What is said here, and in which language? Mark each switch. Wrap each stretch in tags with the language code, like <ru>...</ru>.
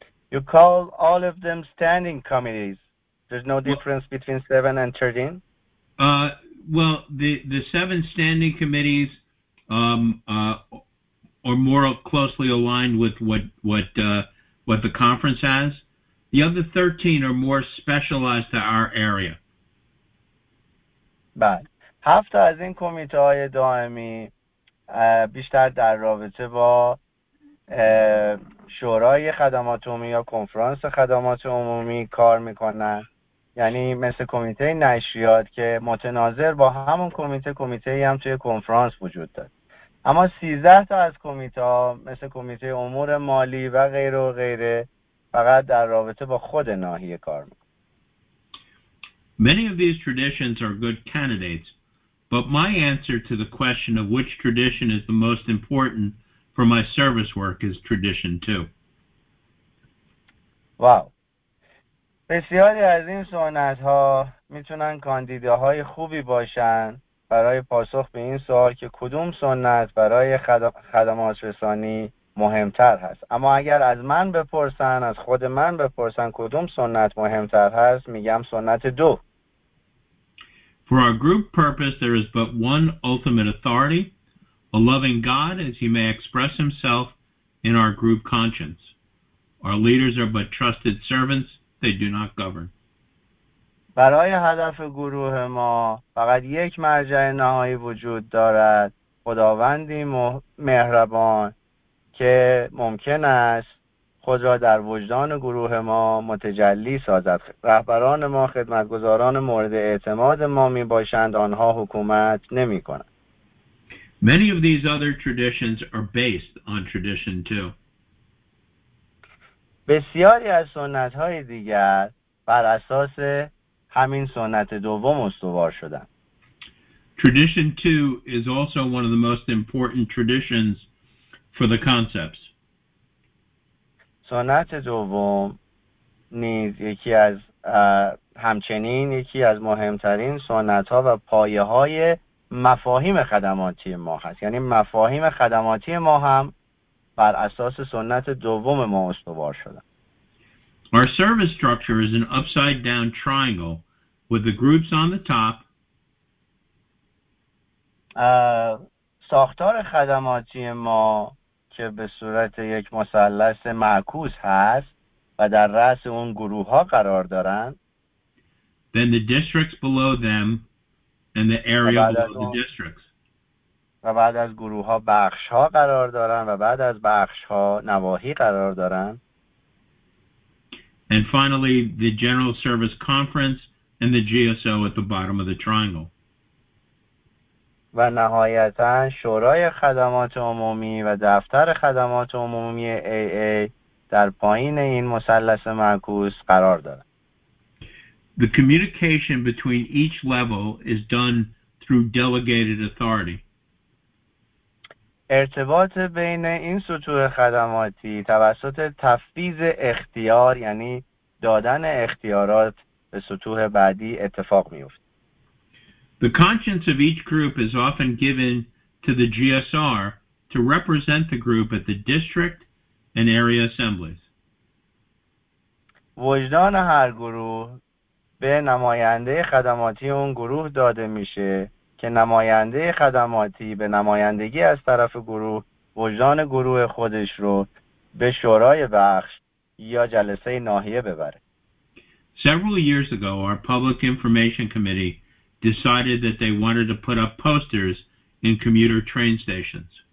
<en>You call all of them standing committees. There's no difference between 7 and 13? Well, the 7 standing committees are more closely aligned with what the conference has. The other 13 are more specialized to our area.</en> <fa>بعد هفت تا از این کمیته‌های دائمی بیشتر در رابطه با شورای خدمات عمومی یا کنفرانس خدمات عمومی کار میکنن، یعنی مثل کمیته نشریات که متناظر با همون کمیته، کمیته هم توی کنفرانس وجود داره. اما 13 تا از کمیته مثل کمیته امور مالی و غیره و غیره فقط در رابطه با خود ناحیه کار میکنن.</fa> <en>Many of these traditions are good candidates, but my answer to the question of which tradition is the most important for my service work is tradition 2. Wow.</en> <fa>بسیاری از این سنت‌ها میتونن کاندیداهای خوبی باشن برای پاسخ به این سوال که کدوم سنت برای خدمات رسانی مهمتر هست. اما اگر از من بپرسن، از خود من بپرسن کدوم سنت مهمتر هست، میگم سنت 2.</fa> <en>For our group purpose, there is but one ultimate authority, a loving God as he may express himself in our group conscience. Our leaders are but trusted servants, they do not govern.</en> <fa>برای هدف گروه ما فقط یک مرجع نهایی وجود دارد، خداوندی مهربان که ممکن است خود را در وجدان گروه ما متجلی سازد. رهبران ما خدمتگزاران مورد اعتماد ما می باشند، آنها حکومت نمی کنند.</fa> <en>Many of these other traditions are based on tradition too.</en> <fa>بسیاری از سنت های دیگر بر اساس همین سنت دوم استوار شدند.</fa> <en>Tradition 2 is also one of the most important traditions for the concepts.</en> <fa>سنت دوم نیز یکی از همچنین یکی از مهمترین سنت ها و پایه های مفاهیم خدماتی ما هست، یعنی مفاهیم خدماتی ما هم بر اساس سنت دوم ما استوار شده.</fa> <en>Our service structure is an upside down triangle with the groups on the top.</en> <fa>ساختار خدماتی ما که به صورت یک مثلث معکوس هست و در رأس اون گروه ها قرار دارن.</fa> <en>Then the districts below them and the area below the districts.</en> <fa>و بعد از گروه ها بخش ها قرار دارن و بعد از بخش ها نواحی قرار دارن.</fa> <en>And finally the general service conference and the GSO at the bottom of the triangle.</en> <fa>و نهایتاً شورای خدمات عمومی و دفتر خدمات عمومی AA در پایین این مثلث معکوس قرار دارد.</fa> <en>The communication between each level is done through delegated authority.</en> <fa>ارتباط بین این سطوح خدماتی توسط تفویض اختیار، یعنی دادن اختیارات به سطوح بعدی اتفاق می‌افتد.</fa> <en>The conscience of each group is often given to the GSR to represent the group at the district and area assemblies.</en> <fa>وجدان هر گروه به نماینده خدماتی اون گروه داده میشه که نماینده خدماتی به نمایندگی از طرف گروه وجدان گروه خودش رو به شورای بخش یا جلسه ناحیه ببره.</fa> <en>Several years ago, our public information committee decided that they wanted to put up posters in commuter train stations.</en>